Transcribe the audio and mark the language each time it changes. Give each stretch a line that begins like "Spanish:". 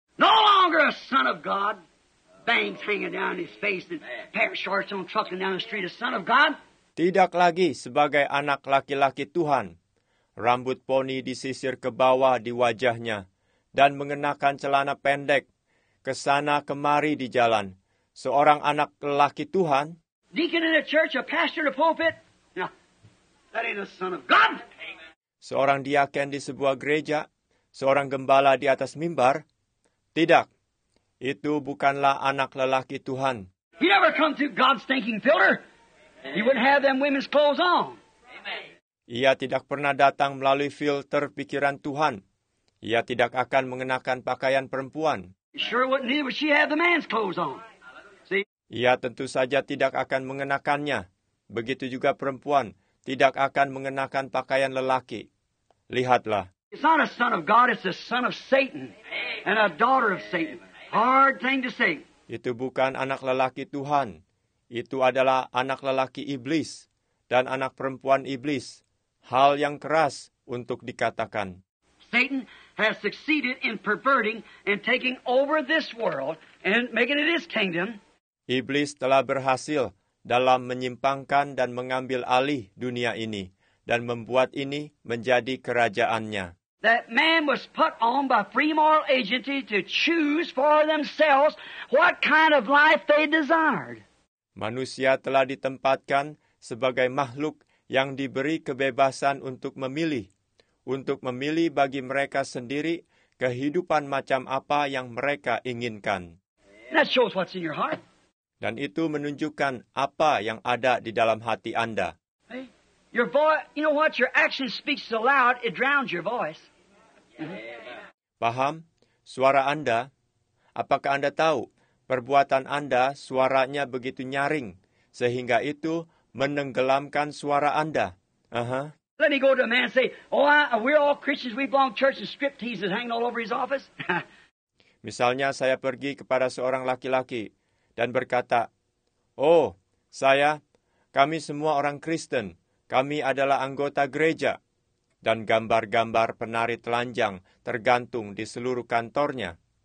English: No longer a son of God, bangs hanging down his face and pair of shorts on trucking down the street, a son of God.
Indonesian: Tidak lagi sebagai anak laki-laki Tuhan, rambut poni disisir ke bawah di wajahnya, dan mengenakan celana pendek, kesana kemari di jalan. Seorang anak laki Tuhan.
English: Deacon in a church, a pastor in a pulpit. No, that ain't a son of God.
Indonesian: Seorang diaken di sebuah gereja, seorang gembala di atas mimbar, tidak, itu bukanlah anak lelaki Tuhan.
English: He never come through God's thinking filter. He wouldn't have them women's clothes on.
Indonesian: Ia tidak pernah datang melalui filter pikiran Tuhan. Ia tidak akan mengenakan pakaian perempuan.
English: Sure wouldn't either, but she had the man's clothes on. See?
Indonesian: Ia tentu saja tidak akan mengenakannya. Begitu juga perempuan. Tidak akan mengenakan pakaian lelaki. Lihatlah.
English: It's not a son of God, it's a son of Satan. And a daughter of Satan. Hard thing to say.
Indonesian: Itu bukan anak lelaki Tuhan. Itu adalah anak lelaki iblis. Dan anak perempuan iblis. Hal yang keras untuk dikatakan.
English: Satan has succeeded in perverting and taking over this world and making it his kingdom.
Indonesian: Iblis telah berhasil dalam menyimpangkan dan mengambil alih dunia ini dan membuat ini menjadi kerajaannya.
English: That man was put on by free moral agency to choose for themselves what kind of life they desired.
Indonesian: Manusia telah ditempatkan sebagai makhluk yang diberi kebebasan untuk memilih bagi mereka sendiri kehidupan macam apa yang mereka inginkan.
English: That shows what's in your heart.
Indonesian: Dan itu menunjukkan apa yang ada di dalam hati Anda.
English: Hey, your voice, you know what? Your action speaks so loud, it drowns your voice.
Indonesian: Paham? Suara Anda, apakah Anda tahu, perbuatan Anda suaranya begitu nyaring, sehingga itu menenggelamkan suara Anda.
English: Let me go to a man and say, we're all Christians, we belong to church, and striptease is hanging all over his office.
Indonesian: Misalnya saya pergi kepada seorang laki-laki, dan berkata, oh, saya, kami semua orang Kristen, kami adalah anggota gereja, dan gambar-gambar penari telanjang tergantung di seluruh kantornya.